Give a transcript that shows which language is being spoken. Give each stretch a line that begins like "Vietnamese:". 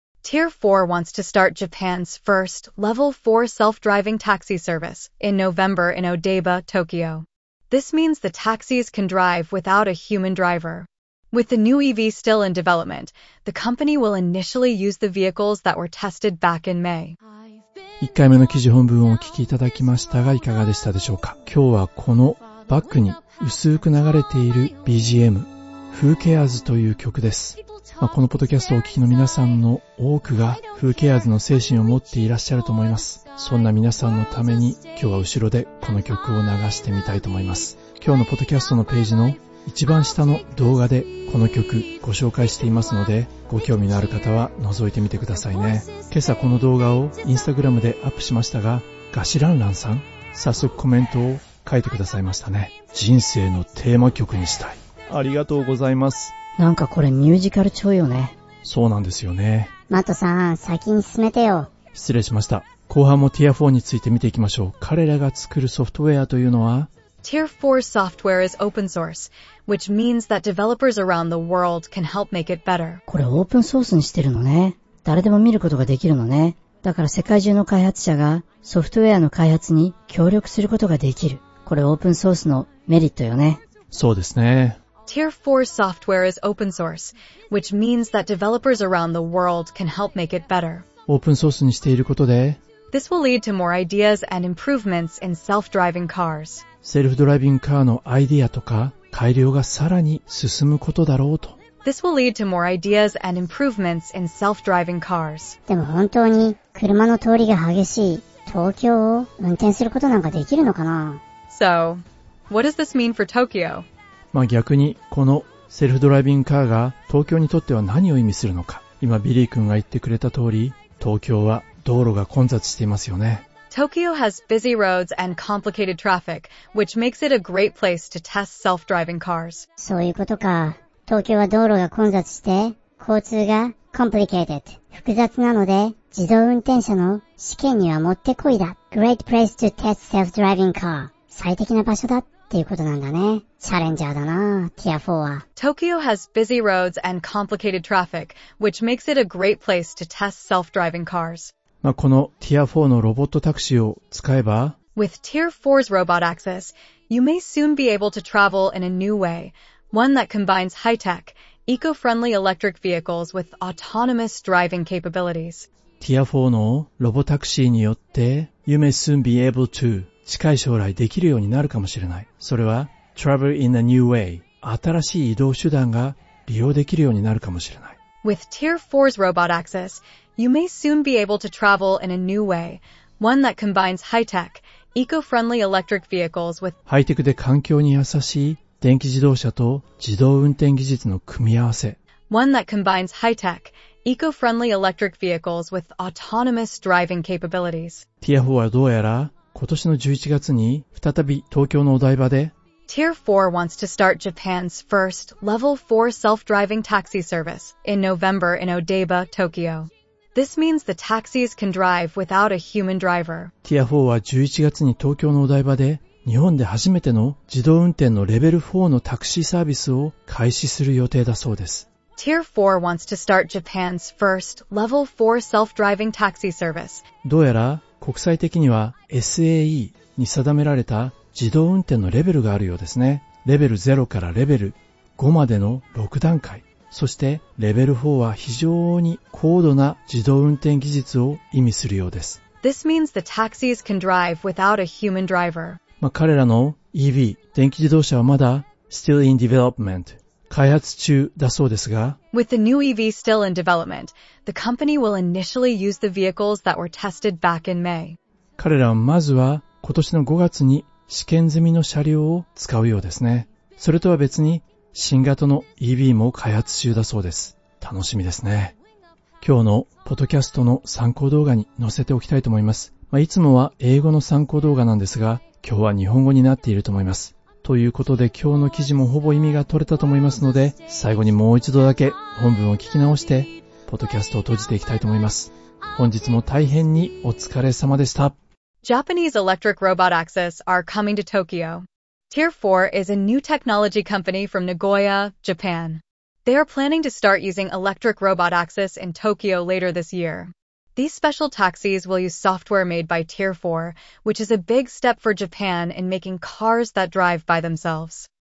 English: Tier 4 wants to start Japan's first Level 4 self-driving taxi service in November in Odaiba, Tokyo. This means the taxis can drive without a human driver. With the new EV still in development, the company will initially use the vehicles that were tested back in May.
Japanese: 1回目の記事本文をお聞きいただきましたが、いかがでしたでしょうか。今日はこのバックに薄く流れている BGM、Who Cares という曲です。まあ、このポッドキャストをお聞きの皆さんの多くが Who Cares の精神を持っていらっしゃると思います。そんな皆さんのために今日は後ろでこの曲を流してみたいと思います。今日のポッドキャストのページの一番下の動画でこの曲ご紹介していますので、ご興味のある方は覗いてみてくださいね。今朝この動画をインスタグラムでアップしましたが、ガシランランさん、早速コメントを書いてくださいましたね。人生のテーマ曲にしたい。ありがとうございます。なんかこれミュージカル調よね。そうなんですよね。マトさん、先に進めてよ。失礼しました。後半もTier 4について見ていきましょう。彼らが作るソフトウェアというのは、
English: Tier 4 software is open source, which means that developers around the world can help make it better.
Japanese: これオープンソースにしてるのね。誰でも見ることができるのね。だから世界中の開発者がソフトウェアの開発に協力することができる。これオープンソースのメリットよね。そうですね。
English: Tier 4 software is open source, which means that developers around the world can help make it better.
Japanese: オープンソースにしていることで、
English: This will lead to more ideas and improvements in self-driving cars.
Japanese: セルフドライビングカーのアイデアとか改良がさらに進むことだろうと。
English: This will lead to more ideas and improvements in self-driving cars.
Japanese: でも本当に車の通りが激しい東京を運転することなんかできるのかな?
English: So, what does this mean for Tokyo?
Japanese: まあ逆にこのセルフドライビングカーが東京にとっては何を意味するのか。今ビリー君が言ってくれた通り、東京は道路が混雑していますよね。
English: Tokyo has busy roads and complicated traffic, which makes it a great place to test self-driving cars.
Japanese: そういうことか。東京は道路が混雑して、交通が complicated、複雑なので、自動運転車の試験にはもってこいだ。
English: Great place to test self-driving car.
Japanese: 最適な場所だっていうことなんだね。チャレンジャーだな、Tier 4は。
English: Tokyo has busy roads and complicated traffic, which makes it a great place to test self-driving cars.
Japanese: まあ、この Tier 4のロボットタクシーを使えば、
English: With Tier 4's robot access, you may soon be able to travel in a new way, one that combines high-tech, eco-friendly electric vehicles with autonomous driving capabilities.
Japanese: Tier 4のロボタクシーによって、
English: You may soon be able to
Japanese: 近い将来できるようになるかもしれない。それは、
English: Travel in a new way、
Japanese: 新しい移動手段が利用できるようになるかもしれない。
English: With Tier 4's robot access, you may soon be able to travel in a new way, one that combines high-tech, eco-friendly electric vehicles with
Japanese: ハイテクで環境に優しい電気自動車と自動運転技術の組み合わせ。
English: One that combines high-tech, eco-friendly electric vehicles with autonomous driving capabilities.
Japanese: Tier 4はどうやら今年の11月に再び東京のお台場で、
English: Tier 4 wants to start Japan's first Level 4 self-driving taxi service in November in Odaiba, Tokyo. This means the taxis can drive without a human driver.
Japanese: Tier 4は11月に東京のお台場で日本で初めての自動運転のレベル4のタクシーサービスを開始する予定だそうです。
English: Tier 4 wants to start Japan's first Level 4 self-driving taxi service.
Japanese: どうやら国際的には SAE に定められた自動運転のレベルがあるようですね。レベル0からレベル5までの6段階。そしてレベル4は非常に高度な自動運転技術を意味するようです。
English: This means the taxis can drive without a human driver.
Japanese: まあ彼らの EV、電気自動車はまだ
English: still in development、
Japanese: 開発中だそうですが、
English: With the new EV still in development, the company will initially use the vehicles that were tested back in May.
Japanese: 彼らはまずは今年の5月に試験済みの車両を使うようですね。それとは別に新型の EV も開発中だそうです。楽しみですね。今日のポッドキャストの参考動画に載せておきたいと思います。まあ、いつもは英語の参考動画なんですが、今日は日本語になっていると思います。ということで今日の記事もほぼ意味が取れたと思いますので、最後にもう一度だけ本文を聞き直して、ポッドキャストを閉じていきたいと思います。本日も大変にお疲れ様でした。
English: Japanese electric robot access are coming to Tokyo. Tier 4 is a new technology company from Nagoya, Japan. They are planning to start using electric robot access in Tokyo later this year. These special taxis will use software made by Tier 4, which is a big step for Japan in making cars that drive by themselves.